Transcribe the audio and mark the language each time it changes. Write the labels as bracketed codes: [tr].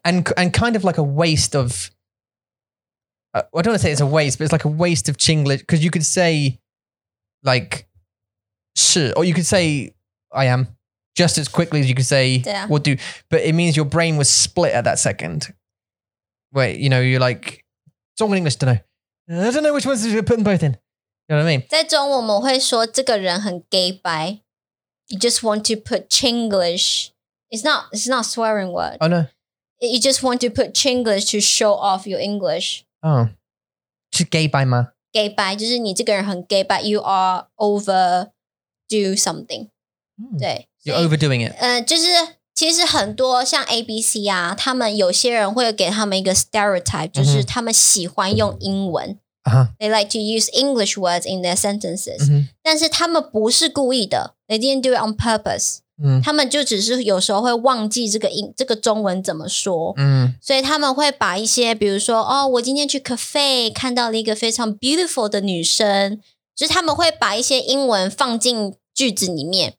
[en] And kind of like a waste of, I don't want to say it's a waste, but it's like a waste of Chinglish because you could say like, [zh] 是, [en] or you could say I am just as quickly as you could say, what do, but it means your brain was split at that second. Wait, you know, you're like, it's all in English, don't know. I don't know which ones to put them both in. You know what I mean? [zh] 在中文我们会说这个人很 gay 白。 [en] You just want to put Chinglish. It's not swearing word. Oh, no. You just want to put Chinglish to show off your English. [zh] Oh. 是 gay 白吗? Gay 白就是你这个人很 gay 白, [en] you are overdo something. [zh] Mm. 对。 [en] You're overdoing it. [zh] 就是其实很多像 ABC 啊他们有些人会给他们一个 stereotype, 就是他们喜欢用英文。Mm-hmm. Uh-huh. [en] They like to use English words in their sentences. Mm-hmm. [zh] 但是他们不是故意的。 [en] They didn't do it on purpose. Mm-hmm. [zh] 他们就只是有时候会忘记这个中文怎么说。 Mm-hmm. 所以他们会把一些比如说哦，我今天去 cafe 看到了一个非常 beautiful 的女生。就是他们会把一些英文放进句子里面。